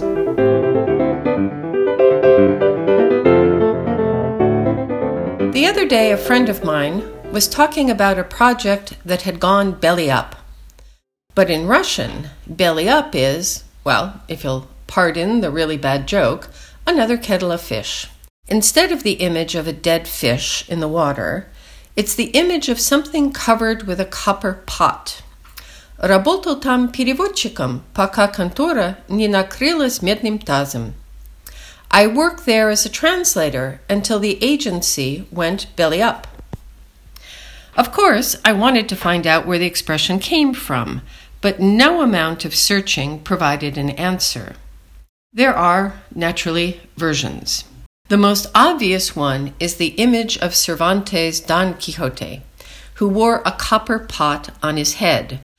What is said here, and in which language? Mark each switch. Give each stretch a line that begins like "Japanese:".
English: The other day, a friend of mine was talking about a project that had gone belly up. But in Russian, belly up is, well, if you'll pardon the really bad joke, another kettle of fish. Instead of the image of a dead fish in the water, it's the image of something covered with a copper pot.
Russian: Работал там переводчиком, пока контора не накрылась медным тазом.
English: I worked there as a translator until the agency went belly up. Of course, I wanted to find out where the expression came from, but no amount of searching provided an answer. There are, naturally, versions. The most obvious one is the image of Cervantes' Don Quixote, who wore a copper pot on his head.